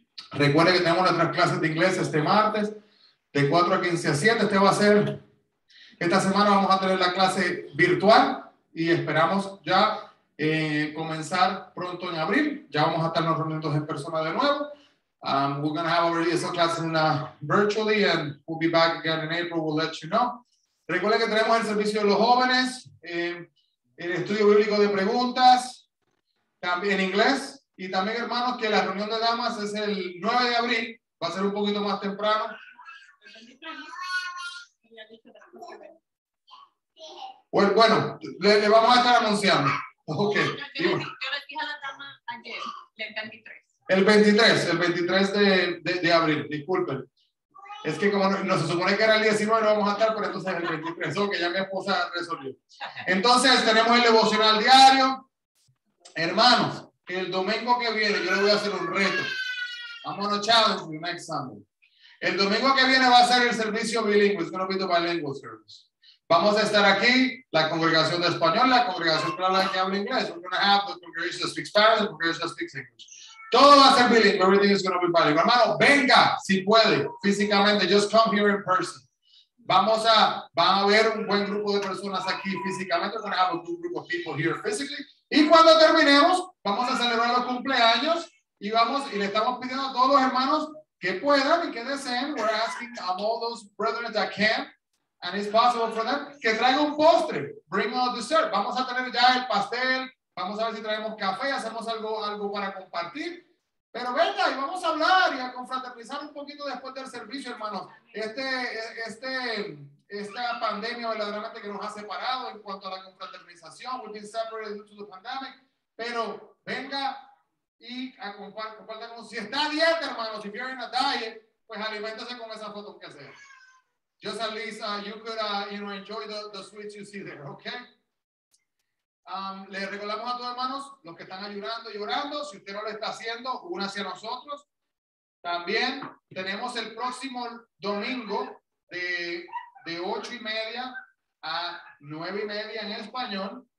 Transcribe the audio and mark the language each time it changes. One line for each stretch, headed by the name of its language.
Spanish: Recuerde que tenemos nuestras clases de inglés este martes, de 4 a 15 a 7. Este va a ser... Esta semana vamos a tener la clase virtual, y esperamos ya comenzar pronto en abril. Ya vamos a estar reuniendo en persona de nuevo.
English: We're going to have already some classes in, virtually, and we'll be back again in April. We'll let you know.
Spanish: Recuerden que tenemos el servicio de los jóvenes, el estudio bíblico de preguntas, también en inglés. Y también, hermanos, que la reunión de damas es el 9 de abril. Va a ser un poquito más temprano. Bueno, le vamos a estar anunciando. Okay. Yo le dije a la dama ayer, el 23 de abril, disculpen. Es que como no se supone que era el 19, no vamos a estar, pero entonces el 23, ok, ya mi esposa resolvió. Entonces, tenemos el devocional diario. Hermanos, el domingo que viene, yo le voy a hacer un reto. Vámonos, challenge, un examen. El domingo que viene va a ser el servicio bilingüe, es un poquito
English: bilingual service.
Spanish: Vamos a estar aquí, la congregación de español, la congregación para la que habla inglés.
English: We're going to have the congregation that speaks Spanish, the congregation that speaks English.
Spanish: Todo va a ser bilingüe.
English: Everything is going to be bilingüe.
Spanish: Hermano, venga, si puede, físicamente.
English: Just come here in person.
Spanish: Van a ver un buen grupo de personas aquí físicamente.
English: We're going to have a good group of people here physically.
Spanish: Y cuando terminemos, vamos a celebrar los cumpleaños. Y le estamos pidiendo a todos los hermanos que puedan y que deseen.
English: We're asking all those brethren that can. And it's possible for them.
Spanish: Que traigan un postre.
English: Bring a dessert.
Spanish: Vamos a tener ya el pastel. Vamos a ver si traemos café, hacemos algo para compartir. Pero venga, y vamos a hablar y a confraternizar un poquito después del servicio, hermano. Esta pandemia verdaderamente que nos ha separado en cuanto a la confraternización.
English: We've been separated due to the pandemic.
Spanish: Pero venga y comparte con... Si está a dieta, hermano, si
English: you're in a diet,
Spanish: pues aliméntese con esas fotos que sea.
English: Just at least you could enjoy the sweets you see there, okay?
Spanish: Le recordamos a todos, hermanos, los que están ayunando y orando, si usted no lo está haciendo, únase a nosotros. También tenemos el próximo domingo de 8:30 a 9:30 en español.